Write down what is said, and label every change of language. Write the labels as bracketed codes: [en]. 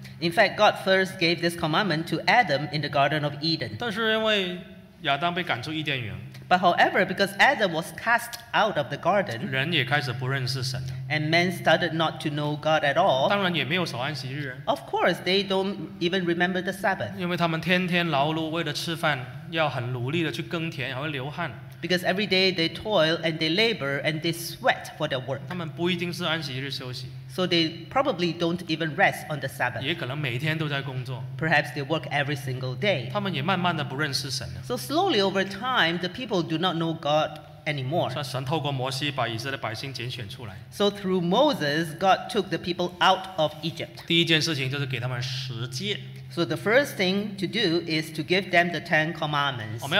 [en] In fact, God first gave this commandment to Adam in the Garden of Eden. [zh] 但是因为亚当被赶出伊甸园。 [en] But however, because Adam was cast out of the garden, [zh] 人也开始不认识神。 [en] And men started not to know God at all. [zh] 当然也没有守安息日。 [en] Of course, they don't even remember the Sabbath. [zh] 因为他们天天劳碌，为了吃饭，要很努力的去耕田，还会流汗。 [en] Because every day they toil and they labor and they sweat for their work. [zh] 他们不一定是安息日休息。 [en] So they probably don't even rest on the Sabbath. [zh] 也可能每天都在工作。 [en] Perhaps they work every single day. [zh] 他们也慢慢的不认识神了。 [en] So slowly over time, the people do not know God. Anymore. [zh] 神透过摩西把以色列百姓拣选出来。 [en] So through Moses, God took the people out of Egypt. [zh] 第一件事情就是给他们十诫。 [en] So the first thing to do is to give them the Ten Commandments.